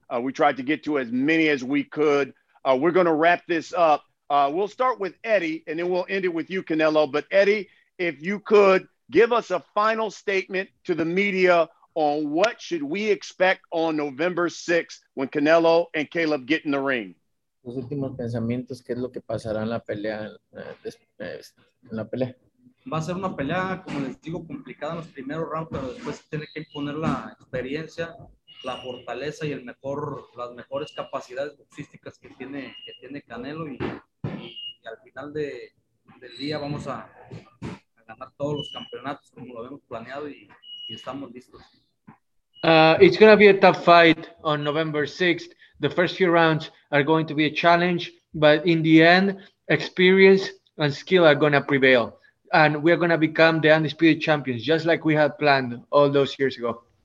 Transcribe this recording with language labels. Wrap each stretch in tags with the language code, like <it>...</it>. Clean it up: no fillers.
<en>We tried to get to as many as we could. We're going to wrap this up. We'll start with Eddie, and then we'll end it with you, Canelo. But Eddie, if you could give us a final statement to the media on what should we expect on November 6th when Canelo and Caleb get in the ring.</en> <es>Los últimos pensamientos, ¿qué es lo que pasará en la pelea? En la pelea. Va a ser una pelea, como les digo, complicada en los primeros rounds, pero después tiene que imponer la experiencia, la fortaleza y el mejor, las mejores capacidades boxísticas que tiene Canelo. Y al final de, del día vamos a ganar todos los campeonatos como lo habíamos planeado y estamos listos.</es> <en>It's going to be a tough fight on November 6th. The first few rounds are going to be a challenge, but in the end, experience and skill are going to prevail. And we're going to become the undisputed champions, just like we had planned all those years ago.</en>